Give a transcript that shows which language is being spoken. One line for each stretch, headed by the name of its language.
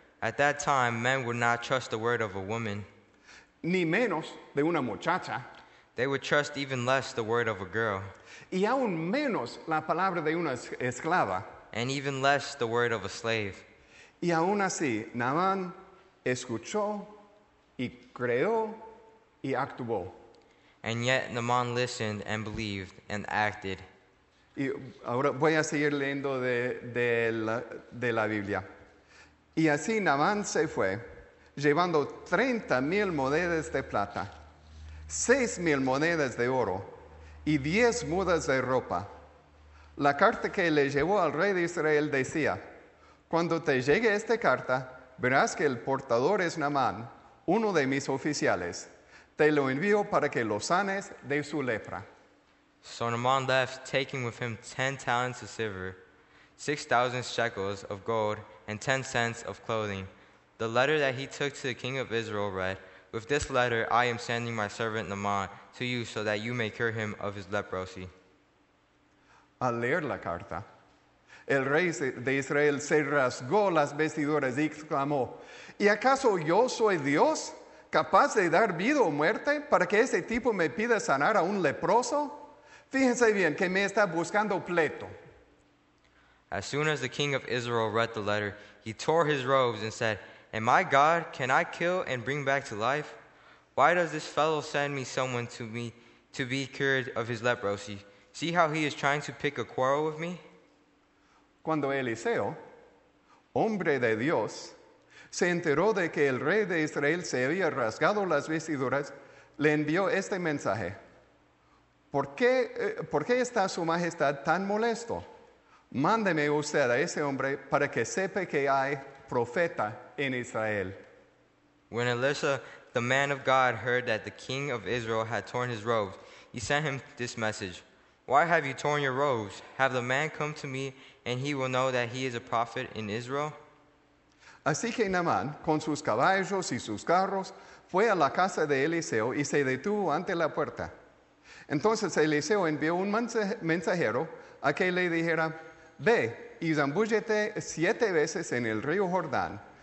English: At that time, men would not trust the word of a woman.
Spanish: Ni menos de una muchacha.
English: They would trust even less the word of a girl.
Spanish: Y aún menos la palabra de una esclava.
English: And even less the word of a slave.
Spanish: Y aún así, Naamán escuchó y creó. Y actuó.
English: And yet Naamán listened and believed and acted.
Spanish: Y ahora voy a seguir leyendo de la Biblia. Y así Naamán se fue, llevando 30,000 monedas de plata, 6,000 monedas de oro y 10 mudas de ropa. La carta que le llevó al rey de Israel decía, cuando te llegue esta carta, verás que el portador es Naamán, uno de mis oficiales. Te lo envío para que lo sanes de su lepra.
English: So Naamán left, taking with him 10 talents of silver, 6,000 shekels of gold, and 10 cents of clothing. The letter that he took to the king of Israel read, with this letter I am sending my servant Naamán to you so that you may cure him of his leprosy.
Spanish: Al leer la carta, El rey de Israel se rasgó las vestiduras y exclamó, ¿y acaso yo soy Dios capaz de dar vida o muerte para que este tipo me pida sanar a un leproso? Fíjense bien que me está buscando pleito.
English: As soon as the king of Israel read the letter, he tore his robes and said, Am I God? Can I kill and bring back to life? Why does this fellow send me someone to me to be cured of his leprosy? See how he is trying to pick a quarrel with me?
Spanish: Cuando Eliseo, hombre de Dios, se enteró de que el rey de Israel se había rasgado las vestiduras, le envió este mensaje. ¿Por qué está su majestad tan molesto? Mándeme usted a ese hombre para que sepa que hay profeta en Israel.
English: When Elisha, the man of God, heard that the king of Israel had torn his robes, he sent him this message. Why have you torn your robes? Have the man come to me and he will know that he is a prophet in Israel?
Spanish: Así que Naamán, con sus caballos y sus carros, fue a la casa de Eliseo y se detuvo ante la puerta. Entonces Eliseo envió un mensajero a que le dijera, Ve y zambúllete 7 veces en el río Jordán.